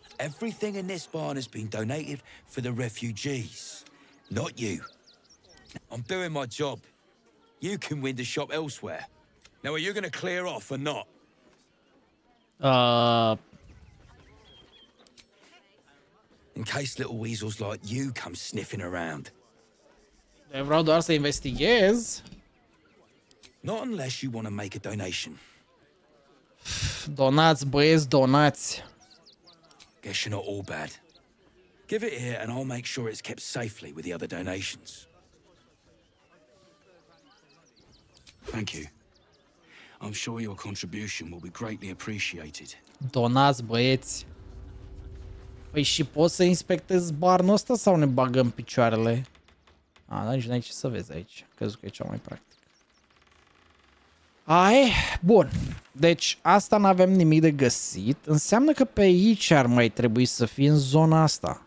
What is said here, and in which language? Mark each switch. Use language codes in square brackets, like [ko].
[en] Everything in this barn has been donated for the refugees. Not you. I'm doing my job. You can win the shop elsewhere. Now are you going to clear off or not? In case little weasels like you come sniffing around. [ro] Vreau doar să investighez. [en] Not unless you want to make a donation. [ro] Donați, băieți, donați. [en] Guess you're not all bad. Give it here and I'll make sure it's kept safely with the other donations. Thank you. I'm sure your contribution will be greatly appreciated. [ro] Donați, băieți. Păi și poți să inspectezi barnul ăsta sau ne bagăm picioarele? A, dar nici n-ai ce să vezi aici. Crezi că e cea mai practică. Ai, bun. Deci asta n-avem nimic de găsit. Înseamnă că pe aici ar mai trebui să fie în zona asta.